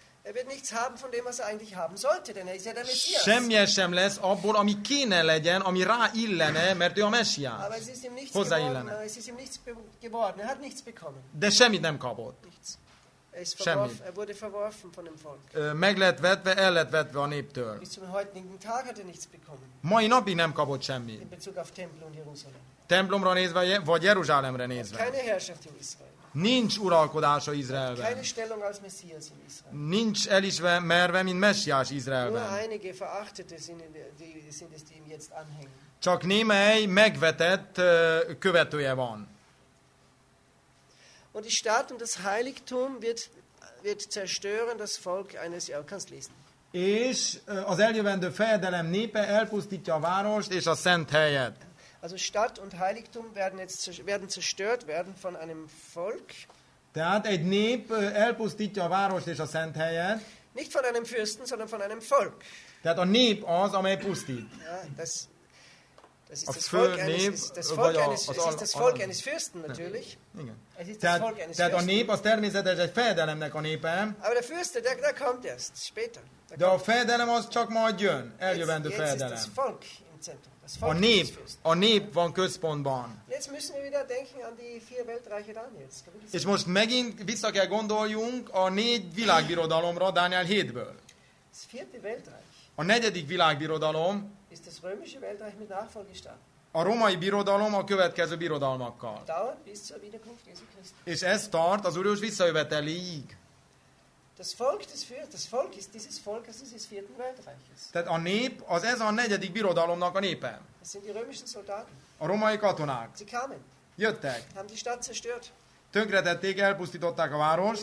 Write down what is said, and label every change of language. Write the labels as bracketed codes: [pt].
[de] Er wird nichts haben von dem, was er eigentlich haben sollte, denn er ist ja der Messias. [hu] Semmi sem lesz abból, ami kéne legyen, ami rá illene, mert ő a Messias. [de] Aber es ist ihm nichts geworden. Es ist ihm nichts geworden. Er hat nichts bekommen. [hu] De semmit nem kapott. [de] Nichts. Er wurde verworfen von dem Volk. [hu] Meg lett vetve, el lett vetve a néptől. [de] Bis zum heutigen Tag hat er nichts bekommen. [hu] Mai napig nem kapott semmit. [de] In Bezug auf Tempel und Jerusalem. [hu] Templomra nézve, vagy Jeruzsálemre nézve. [de] Keine Herrschaft in Israel. [hu] Nincs uralkodása Izraelben. [de] Keine Stellung als Messias in Israel. [hu] Nincs elisve merve, mint Messiás Izraelben. [de] Nur einige verachtete sind es, die ihm jetzt anhängen. [hu] Csak némely megvetett követője van. [de] Und die Stadt und das Heiligtum wird zerstören das Volk eines kannst lesen. [hu] És az eljövendő fejedelem népe elpusztítja a várost és a szent helyet. [de] Also Stadt und Heiligtum werden zerstört werden von einem Volk. [hu] Tehát egy nép elpusztítja a várost és a szent helyet. [de] Nicht von einem Fürsten, sondern von einem Volk. [hu] Tehát a nép az, amely pusztít. [de] Ja, das ist das Volk eines Fürsten natürlich. [hu] Igen. Tehát a nép az természetes egy fejedelemnek a népe. [de] Aber der Fürste, der kommt erst später. [hu] De a fejedelem az csak majd jön, eljövendő fejedelem. [de] Jetzt ist das Volk im Zentrum. [hu] A nép van központban. [de] Jetzt müssen wir wieder denken an die vier Weltreiche Daniels. [hu] És most megint vissza kell gondoljunk a négy világbirodalomra Dániel 7-ből. [de] Das vierte Weltreich. [hu] A negyedik világbirodalom. [de] Ist das römische Weltreich mit Nachfolgestaat. [hu] A római birodalom a következő birodalmakkal. [de] Dauert bis zur Wiederkunft Jesu Christi. [hu] És ez tart az Úrjós visszajöveteléig. [de] Das Volk des Fürst, das Volk ist dieses Volk, das ist des vierten Weltreiches. [hu] Tehát a nép, az ez a negyedik birodalomnak a népe. [de] Das sind die römischen Soldaten. [hu] A romai katonák. [de] Sie kamen. [hu] Jöttek. [de] Haben die Stadt zerstört. [hu] Tönkretették, elpusztították a várost.